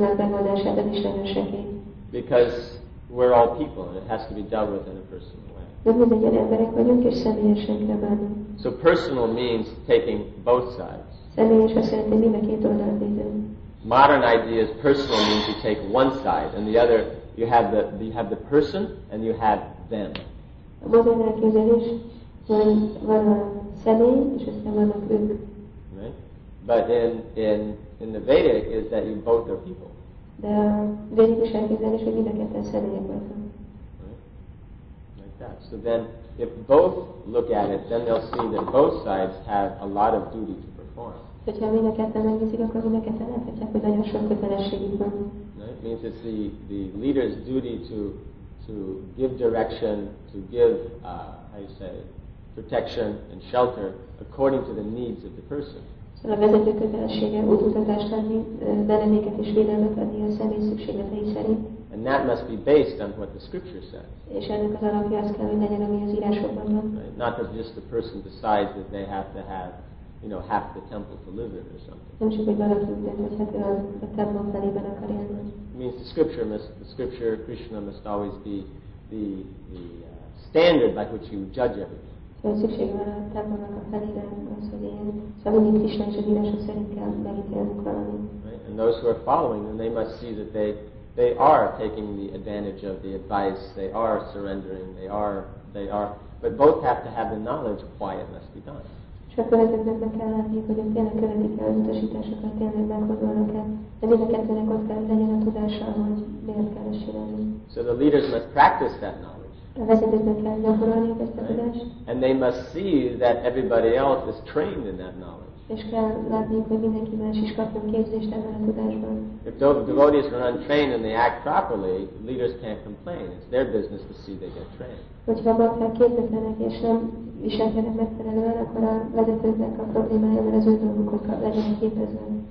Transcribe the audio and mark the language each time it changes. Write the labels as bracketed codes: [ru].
[en] Because we're all people and it has to be dealt with in a personal way. So personal means taking both sides. Modern ideas, personal means you take one side and the other, you have the person and you have them. [hu] A modern elképzelés, hogy van a személy, és aztán vannak ők. [en] Right? But in the Vedic is that you both are people. [hu] De a védikus elképzelés, hogy mind a ketten személyek voltak. [en] Right? Like that. So then, if both look at it, then they'll see that both sides have a lot of duty to perform. [hu] Hogyha mind a ketten megnézik, akkor mind a ketten láthatják, hogy nagyon sok kötelességük van. [en] Right? Means it's the leader's duty to give direction, to give, how you say, protection and shelter according to the needs of the person. [hu] So a vezető kötelessége útmutatást adni, bereméket és védelmet adni a személy szükségletei szerint. [en] And that must be based on what the scripture says. [hu] És ennek az alapja az kell, hogy legyen, ami az írásokban van. [en] Not that just the person decides that they have to have, you know, half the temple to live in or something. [hu] Nem csak, hogy valaki úgy dönt, hogy hát a templom felében akar élni. [en] Means the scripture Krishna must always be the standard by which you judge everything. Right? And those who are following, then they must see that they are taking the advantage of the advice, they are surrendering, they are, but both have to have the knowledge of why it must be done. [hu] És akkor ezeknek meg kell látni, hogy ők tényleg követik el az utasításokat, tényleg meghozolnak el. De mind a kettőnek ott kell legyen a tudása, hogy miért kell ezt csinálni. [en] So the leaders must practice that knowledge. [hu] A vezetőknek kell gyakorolni ezt a tudást. [en] And they must see that everybody else is trained in that knowledge. [hu] És kell látni, hogy mindenki más is kapjon képzést ebben a tudásban. [en] If the devotees are untrained and they act properly, leaders can't complain. It's their business to see they get trained. [hu] Hogyha bakták képzetlenek és nem viselkedek megfelelően, akkor a vezetőknek a problémája, mert az ő dolguk, hogy legyenek képezve.